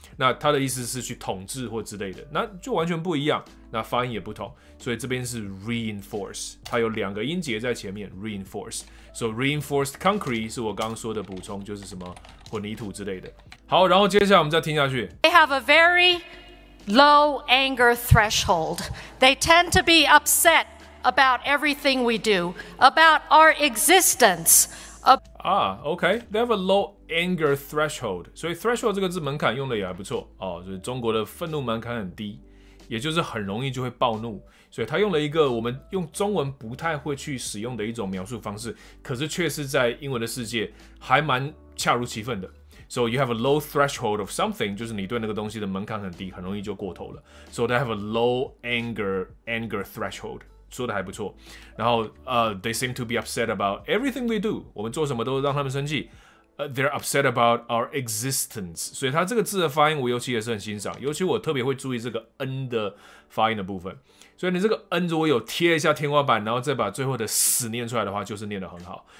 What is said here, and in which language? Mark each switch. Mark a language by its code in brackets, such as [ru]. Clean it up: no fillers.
[zh] 那他的意思是去统治或之类的，那就完全不一样，那发音也不同，所以这边是 reinforce， 它有两个音节在前面 reinforce， 所以 reinforced concrete 是我刚刚说的补充，就是什么混凝土之类的。好，然后接下来我们再听下去。 [en] They have a very low anger threshold. They tend to be upset about everything we do, about our existence. OK, they have a low anger threshold. [zh] 所以 threshold 这个字门槛用的也还不错哦，就是中国的愤怒门槛很低，也就是很容易就会暴怒。所以他用了一个我们用中文不太会去使用的一种描述方式，可是却是在英文的世界还蛮恰如其分的。 [en] So you have a low threshold of something， [zh] 就是你对那个东西的门槛很低，很容易就过头了。 [en] So they have a low anger threshold. [zh] 说的还不错，然后 [en] they seem to be upset about everything we do， [zh] 我们做什么都让他们生气。 [en] They're upset about our existence， [zh] 所以他这个字的发音我尤其也是很欣赏，尤其我特别会注意这个 n 的发音的部分。所以你这个 n 如果有贴一下天花板，然后再把最后的死念出来的话，就是念得很好。